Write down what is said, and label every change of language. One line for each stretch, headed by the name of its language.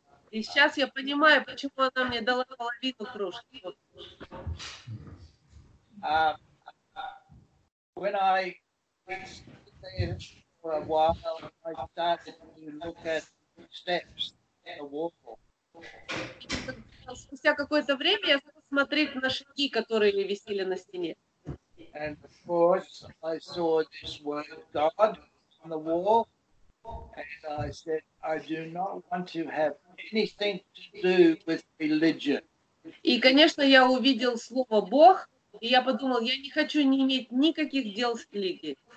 Russian: И сейчас я понимаю, почему она мне дала половину кружки.
English: When I was there for a while, I started to look at steps in the wall.
Russian: Спустя какое-то время я стала смотреть на шаги, которые висели на стене.
English: And of course, I saw this word God on the wall. And I said, I do not want to have anything to do with religion.
Russian: И, конечно, я увидел слово Бог, и я подумал, я не хочу не иметь никаких дел с религией.